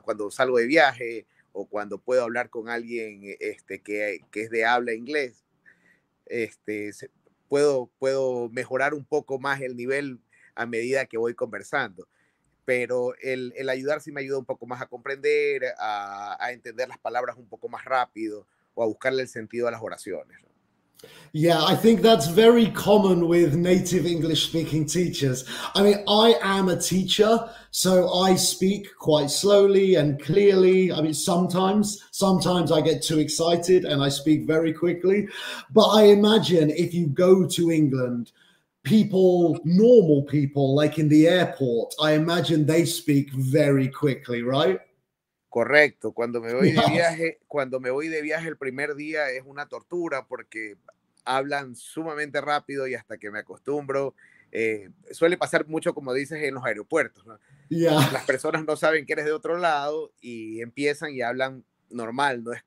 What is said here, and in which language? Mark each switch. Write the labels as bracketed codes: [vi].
[es] Cuando salgo de viaje o cuando puedo hablar con alguien que es de habla inglés, puedo mejorar un poco más el nivel a medida que voy conversando. Pero el ayudar sí me ayuda un poco más a comprender, a entender las palabras un poco más rápido o a buscarle el sentido a las oraciones, ¿no? [en] Yeah, I think that's very common with native English speaking teachers. I mean, I am a teacher, so I speak quite slowly and clearly. I mean, sometimes I get too excited and I speak very quickly. But I imagine if you go to England, normal people, like in the airport, I imagine they speak very quickly, right? [es] Correcto. Cuando me voy de viaje, el primer día es una tortura porque hablan sumamente rápido y hasta que me acostumbro. Suele pasar mucho, como dices, en los aeropuertos, ¿no? [en] Yeah. [es] Las personas no saben que eres de otro lado y empiezan y hablan normal.